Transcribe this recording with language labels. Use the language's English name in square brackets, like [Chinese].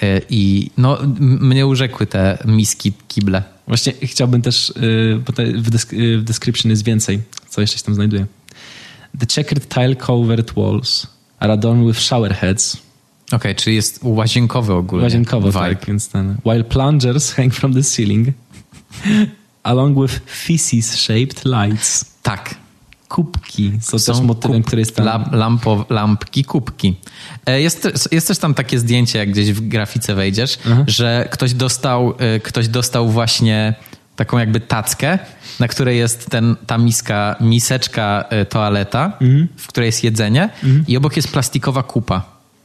[Polish] I no, mnie urzekły te miski, kible. Właśnie chciałbym też, bo w description jest więcej, co jeszcze się tam znajduje. [English] The checkered tile covered walls are adorned with shower heads. [Polish] Okej, okay, czyli jest łazienkowy ogólnie. Łazienkowy, tak, więc ten. [English] While plungers hang from the ceiling along with feces shaped lights. [Polish] Tak. Kubki są też motywem, który jest tam. Lampki, kubki. Jest też tam takie zdjęcie, jak gdzieś w grafice wejdziesz, że ktoś dostał właśnie taką jakby tackę, na której jest ta miseczka toaleta, w której jest jedzenie i obok jest plastikowa kupa.